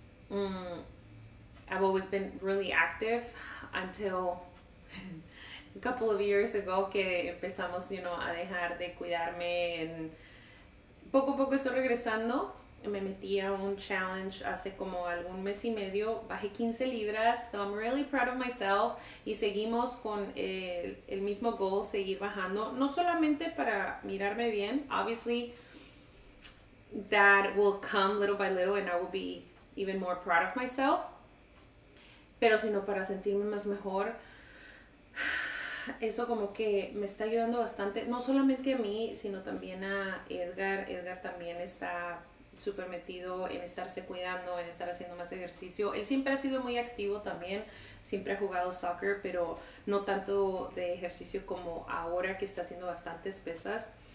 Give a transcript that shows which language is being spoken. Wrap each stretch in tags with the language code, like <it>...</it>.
<en>I've always been really active until a couple of years ago</en> <es>que empezamos, a dejar de cuidarme. Poco a poco estoy regresando. Me metí a un challenge hace como algún mes y medio. Bajé 15 libras,</es> <en>so I'm really proud of myself.</en> <es>Y seguimos con el mismo goal, seguir bajando. No solamente para mirarme bien.</es> <en>Obviously, that will come little by little and I will be even more proud of myself.</en> <es>Pero sino para sentirme más mejor. Eso como que me está ayudando bastante, no solamente a mí, sino también a Edgar. Edgar también está súper metido en estarse cuidando, en estar haciendo más ejercicio. Él siempre ha sido muy activo también, siempre ha jugado soccer, pero no tanto de ejercicio como ahora que está haciendo bastantes pesas.</es>